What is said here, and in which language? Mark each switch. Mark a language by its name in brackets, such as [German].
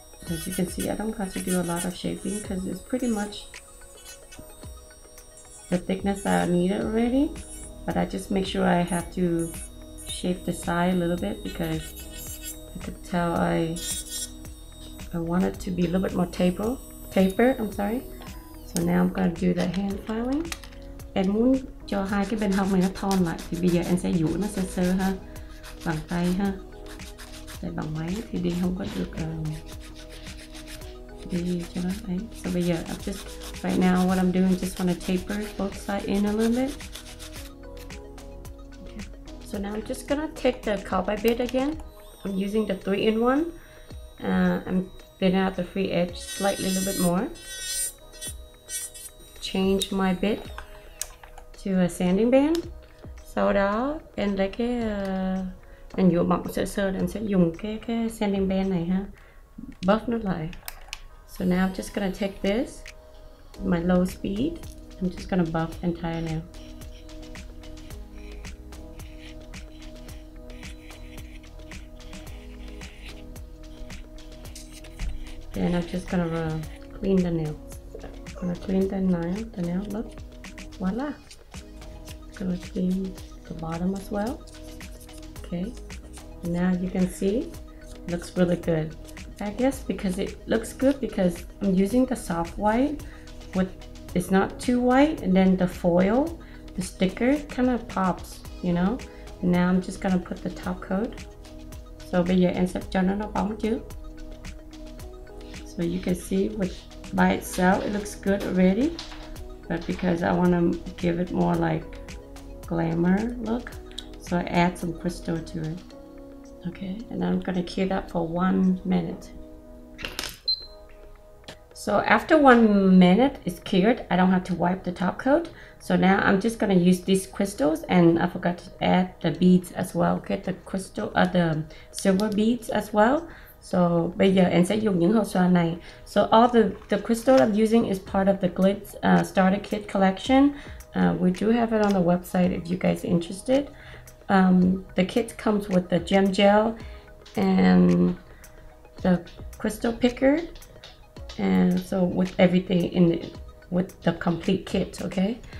[English] As you can see, I don't have to do a lot of shaping because it's pretty much the thickness that I need already. But I just make sure I have to shape the side a little bit because I could tell I want it to be a little bit more taper. I'm sorry. So now I'm gonna do the hand filing. [Vietnamese] Em muốn cho hai cái bên hông này nó thon lại thì bây giờ em sẽ dũi nó sơ sơ ha, bằng tay ha. Tại bằng máy thì đi không có được đi cho nó ấy. [English] So [Vietnamese] bây giờ [English] I'm just right now what I'm doing just want to taper both sides in a little bit. So now I'm just gonna take the carbide bit again. I'm using the 3-in-1. I'm thinning out the free edge slightly a little bit more. Change my bit to a sanding band. [Vietnamese] Sau đó em lấy cái em nhựa mỏng sơ sơ, em sẽ dùng cái sanding band này ha, buff nó lại. [English] So now I'm just gonna take this, my low speed. I'm just gonna buff the entire nail. And I'm just gonna clean the nail. I'm gonna clean the nail, look, voila. I'm gonna clean the bottom as well. Okay, now you can see, looks really good. I guess because it looks good because I'm using the soft white, with it's not too white, and then the foil, the sticker kind of pops, you know? Now I'm just gonna put the top coat. [Vietnamese] So bây giờ em sẽ cho nó bóng chứ. [English] But you can see with by itself it looks good already, but because I want to give it more like glamour look, so I add some crystal to it. Okay, and I'm gonna cure that for 1 minute. So after 1 minute is cured, I don't have to wipe the top coat. So now I'm just gonna use these crystals, and I forgot to add the beads as well. Okay, the crystal, the silver beads as well. [Vietnamese] So bây giờ em sẽ dùng những hộp xoa này. [English] So all the crystal I'm using is part of the Glitz starter kit collection. We do have it on the website if you guys are interested. The kit comes with the gem gel and the crystal picker, and so with everything in it, with the complete kit, okay?